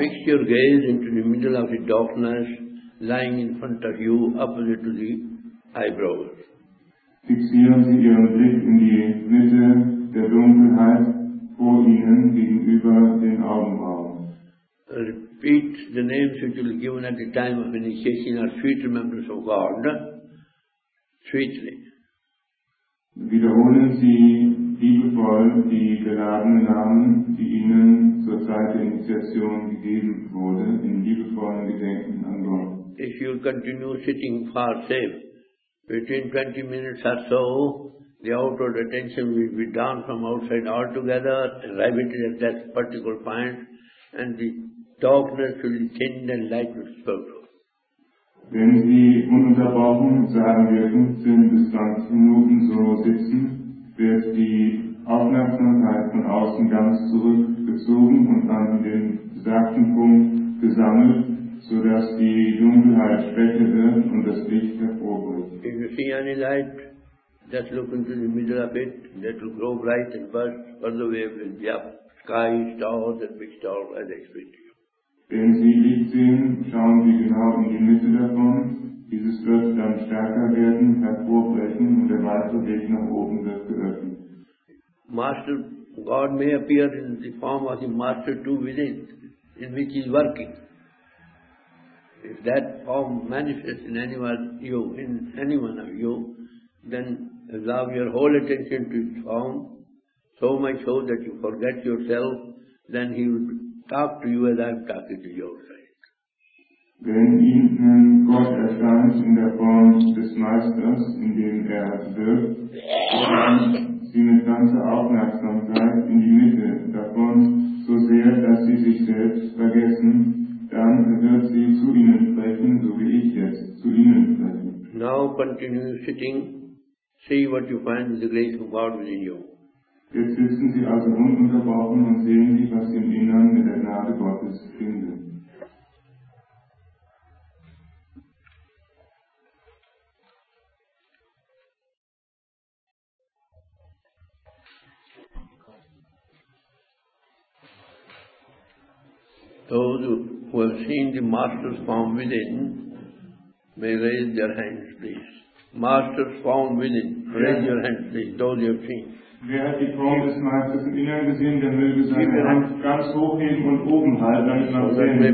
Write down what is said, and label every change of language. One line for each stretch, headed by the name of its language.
English: Fix your gaze into the middle of the darkness, lying in front of you, opposite to the eyebrows.
German: Fixieren Sie Ihren Blick in die Mitte der Dunkelheit vor Ihnen gegenüber den Augenbrauen.
English: Repeat the names which will be given at the time of initiation are sweet remembrance of God. Sweetly.
German: Wiederholen Sie liebevoll die geladenen Namen, die Ihnen zur Zeit der Initiation gegeben wurde, in liebevollen Gedenken an Gott.
English: If you continue sitting far safe, between 20 minutes or so, the outward attention will be drawn from outside altogether, riveted at that particular point, and the darkness will be thinned and light will spread through.
German: Wenn Sie ununterbrochen, sagen wir 15 bis 20 Minuten so sitzen, wird die Aufmerksamkeit von außen ganz zurückgezogen und an den besagten Punkt gesammelt, sodass die Dunkelheit später wird und das Licht hervorbricht.
English: If you see any light, just look into the middle of it, that will grow bright and burst, further away will be up. Sky, stars, and big stars, as I explained to you.
German: Wenn Sie Licht sehen, schauen Sie genau in die Mitte davon. Dieses wird dann stärker werden, hervorbrechen und der weitere Weg nach oben wird geöffnet.
English: Master, God may appear in the form of the master too within, in which he is working. If that form manifests in anyone of you, then allow your whole attention to its form, so much so that you forget yourself, then he will talk to you as I am talking to you outside.
German: Wenn Ihnen Gott erscheint in der Form des Meisters, in dem er wirkt, dann Sie mit ganzer Aufmerksamkeit in die Mitte davon, so sehr, dass Sie sich selbst vergessen, dann wird sie zu Ihnen sprechen, so wie ich jetzt zu Ihnen spreche.
English: Now continue sitting. See what you find in the grace of God within you.
German: Jetzt sitzen Sie also ununterbrochen und sehen Sie, was Sie im Inneren mit der Gnade Gottes finden.
English: Those who have seen the Master's form within may raise their hands, please. Masters found within, raise your hands, please. Those you have seen.
German: Wer hat die Form des Meisters im Innern gesehen, der möge seine Hand ganz hochheben und oben halten, damit man sehen kann.